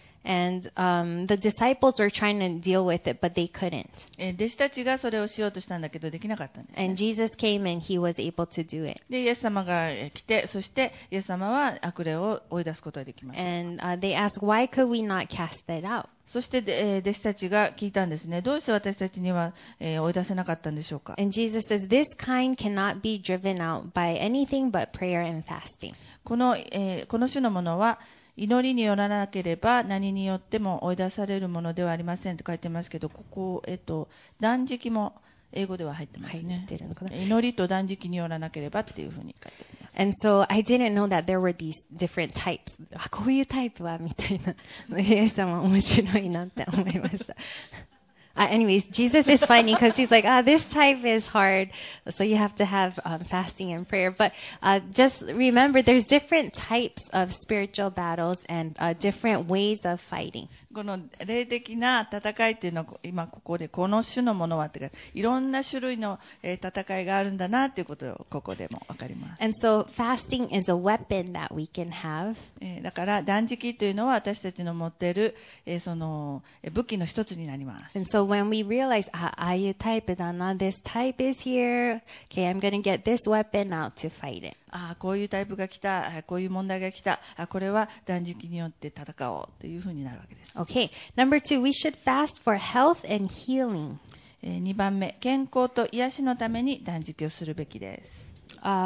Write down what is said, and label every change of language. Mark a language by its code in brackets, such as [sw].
[en] And, the disciples were trying to deal with it, but they couldn't. [ja] 弟子たちがそれをしようとしたんだけどできなかったんですね。 [en] And Jesus came and he was able to do it. [ja] で、イエス様が来て、そしてイエス様は悪霊を追い出すことができました。 [en] And, they asked, why could we not cast it out? [ja] そして、弟子たちが聞いたんですね。どうして私たちには、追い出せなかったんでしょうか? [en] And Jesus says, this kind cannot be driven out by anything but prayer and fasting. [ja] この種のものは、祈りによらなければ何によっても追い出されるものではありませんと書いてますけど、ここ、断食も英語では入ってますね。入ってるのかな。祈りと断食によらなければっていうふうに書いてます。 [en] And so I didn't know that there were these different types. [ja] あ、こういうタイプはみたいな。イエス様面白いなって思いました。 [en] anyways, Jesus is funny because he's like, this type is hard. So you have to have fasting and prayer. But just remember, there's different types of spiritual battles and different ways of fighting. [ja] この霊的な戦いというのは今ここでこの種のものはというか、いろんな種類の戦いがあるんだなということをここでも分かります。 [en] And so fasting is a weapon that we can have. [ja] だから断食というのは私たちの持っている、その武器の一つになります。 [en] And so when we realize, ah, are you type だな、this type is here. Okay, I'm gonna get this weapon out to fight it. [ja] ああこういうタイプが来た、こういう問題が来た、ああこれは断食によって戦おうというふうになるわけです。 [en] Okay. Number two, we should fast for health and healing. [ja] 2番目、健康と癒しのために断食をするべきです。